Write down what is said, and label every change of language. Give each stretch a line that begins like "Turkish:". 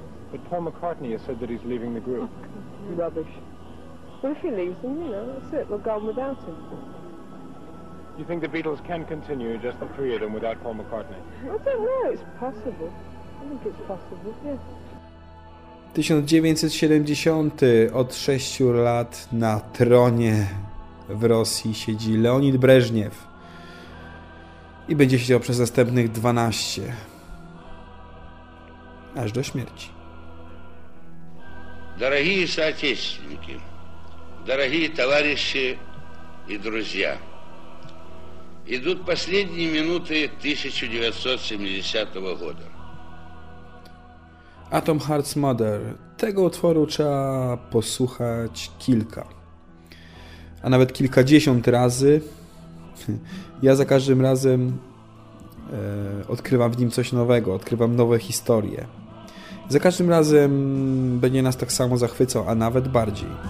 English: But Paul McCartney has said that he's leaving the group. Rubbish. But if he leaves them, you know, that's it. We're gone without him. Do you think the Beatles can continue, just the three of them, without Paul McCartney? I don't know. It's possible. I think it's possible, yeah.
Polish: 1970, od 6 lat na tronie w Rosji siedzi Leonid Breżniew i będzie siedział przez następnych 12, aż do śmierci.
Russian: Дорогі соотечественники, дорогі товарищи і друзі, ідуть останні минути 1970 года.
English: Atom Heart's Mother.
Polish: Tego utworu trzeba posłuchać kilka, a nawet kilkadziesiąt razy. Ja za każdym razem odkrywam w nim coś nowego, odkrywam nowe historie. Za każdym razem będzie nas tak samo zachwycał, a nawet bardziej.